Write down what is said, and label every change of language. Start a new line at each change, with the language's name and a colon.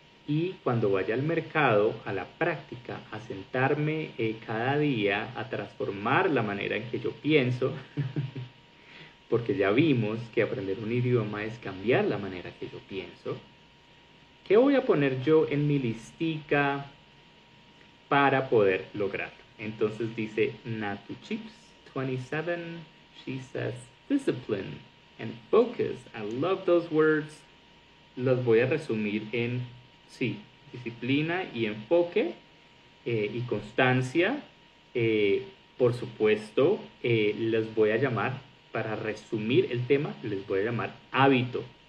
Spanish: Y cuando vaya al mercado, a la práctica, a sentarme cada día, a transformar la manera en que yo pienso, porque ya vimos que aprender un idioma es cambiar la manera que yo pienso. ¿Qué voy a poner yo en mi listica para poder lograrlo? Entonces dice
English: Natuchips 27, she says discipline and focus. I love those words.
Spanish: Los voy a resumir en sí, disciplina y enfoque y constancia. Por supuesto, les voy a llamar, para resumir el tema, les voy a llamar hábito.